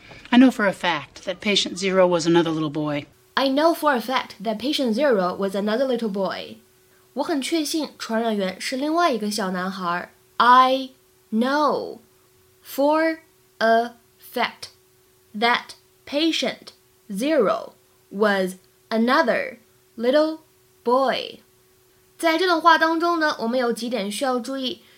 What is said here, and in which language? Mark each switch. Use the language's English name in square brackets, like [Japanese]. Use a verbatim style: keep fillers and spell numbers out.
[English] I know for a fact that patient zero was another little boy. I know for a fact that patient zero was another little boy. [Chinese] 我很确信传染源是另外一个小男孩。 [English] I know for a fact that patient zero was another little boy. [Chinese] 在这段话当中呢，我们有几点需要注意。